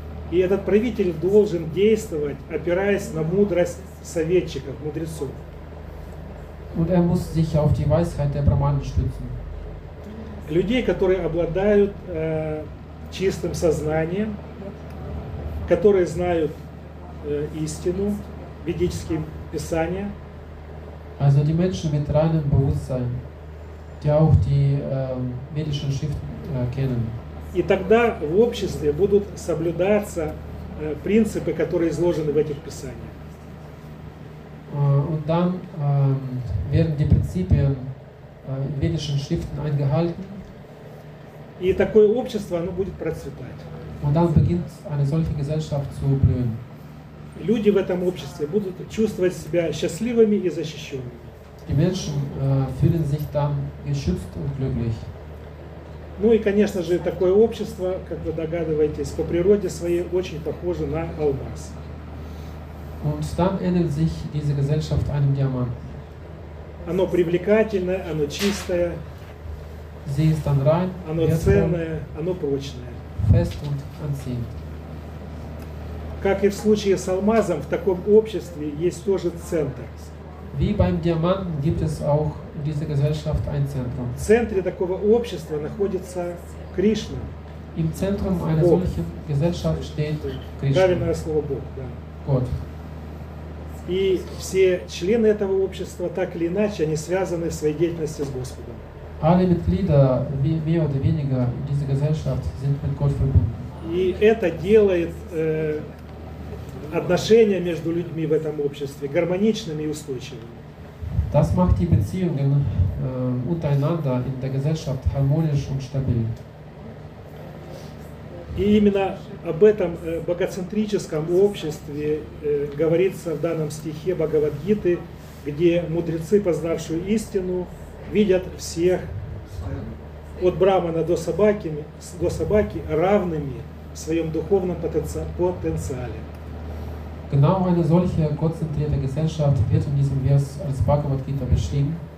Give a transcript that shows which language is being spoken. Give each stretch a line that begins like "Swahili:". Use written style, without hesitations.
Russian: И этот правитель должен действовать, опираясь на мудрость советчиков, мудрецов.
German: Und muss sich auf die Weisheit der Brahmanen stützen.
Russian: Людей, которые обладают чистым сознанием, которые знают истину, ведическим писанием.
German: Also die Menschen mit reinem Bewusstsein, die auch die ведischen Schriften kennen.
Russian: И тогда в обществе будут соблюдаться принципы, которые изложены в этих писаниях.
German: Und dann werden die Prinzipien in ведischen Schriften eingehalten.
Russian: И такое общество, оно будет процветать.
German: Und dann beginnt eine solche Gesellschaft zu blühen.
Russian: Люди в этом обществе будут чувствовать себя счастливыми и защищенными.
German: Die Menschen fühlen sich dann geschützt und glücklich.
Russian: Ну и, конечно же, такое общество, как вы догадываетесь, по природе своей очень похоже на алмаз.
German: Und dann ähnelt sich diese Gesellschaft einem Diamant.
Russian: Оно привлекательное, оно чистое.
German: Sie ist dann rein,
Russian: оно ценное, оно прочное.
German: Fest und anziehend.
Russian: Как и в случае с алмазом, в таком обществе есть тоже центр.
German: Wie beim Diamanten gibt es auch in dieser Gesellschaft ein Zentrum.
Russian: В центре такого общества находится Кришна.
German: Im Zentrum einer
Russian: Бог.
German: Solchen Gesellschaft steht Кришна.
Russian: Правильное слово Бог, да.
German: Gott.
Russian: И все члены этого общества, так или иначе, они связаны в своей деятельности с Господом.
German: Alle Mitglieder, mehr oder weniger, in dieser Gesellschaft sind mit Gott verbunden.
Russian: И это делает отношения между людьми в этом обществе гармоничными и устойчивыми.
German: Das macht die Beziehungen untereinander in der Gesellschaft harmonisch und stabil.
Russian: И именно об этом богоцентрическом обществе говорится в данном стихе Бхагавадгиты, где мудрецы, познавшую истину, видят всех от Брахмана до собаки равными в своем духовном потенциале.
German: Genau eine solche konzentrierte Gesellschaft wird in diesem Vers als Bhagavad-Gita beschrieben.